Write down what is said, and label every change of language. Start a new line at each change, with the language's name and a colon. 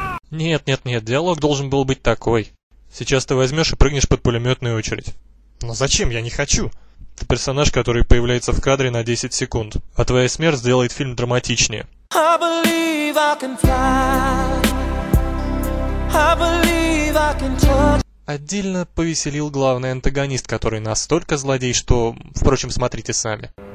Russian: Нет, диалог должен был быть такой. Сейчас ты возьмешь и прыгнешь под пулеметную очередь. Но зачем? Я не хочу! Ты персонаж, который появляется в кадре на 10 секунд, а твоя смерть сделает фильм драматичнее.
English: I believe I can fly. I believe I can touch.
Russian: Отдельно повеселил главный антагонист, который настолько злодей, что, впрочем, смотрите сами.